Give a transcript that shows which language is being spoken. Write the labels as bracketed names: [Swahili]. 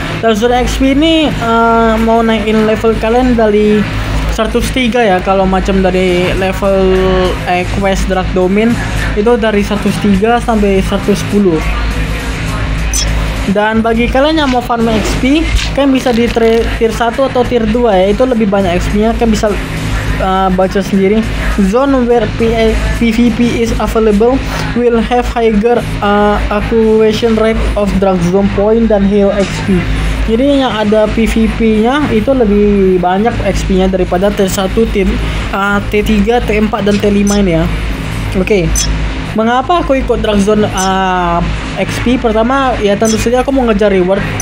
[Indonesian] Dark Zone XP ini mau naikin level kalian dari 103 ya, kalau macam dari level quest Drag Domain itu dari 103 sampai 110. Dan bagi kalian yang mau farm XP, kalian bisa di tier 1 atau tier 2 ya, itu lebih banyak XP-nya. Kalian bisa baca sendiri. [English] Zone where PvP is available will have higher acquisition rate of Drag Zone point than heal XP. [Indonesian] Jadi yang ada PvP-nya itu lebih banyak XP-nya daripada tier 1, T3, T4 dan T5 ini ya. Oke. Mengapa aku ikut Drag Zone XP? Pertama, ya tentu saja aku mau ngejar reward.